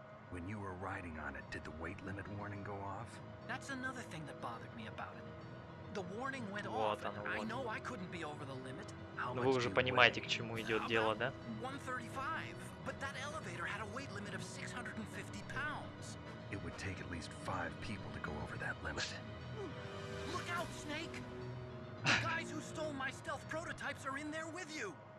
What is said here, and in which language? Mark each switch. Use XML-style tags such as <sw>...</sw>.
<en>When you were riding on it, did the weight limit warning go off? That's another thing that bothered me about it. The warning went off, and I know I couldn't be over the limit.</en> <ru>Ну вы уже понимаете, к чему идет дело, да?</ru> <en>135, but that elevator had a weight limit of 650 pounds. It would take at least 5 people to go over that limit. Look out, Snake! The guys who stole my stealth prototypes are in there with you.</en>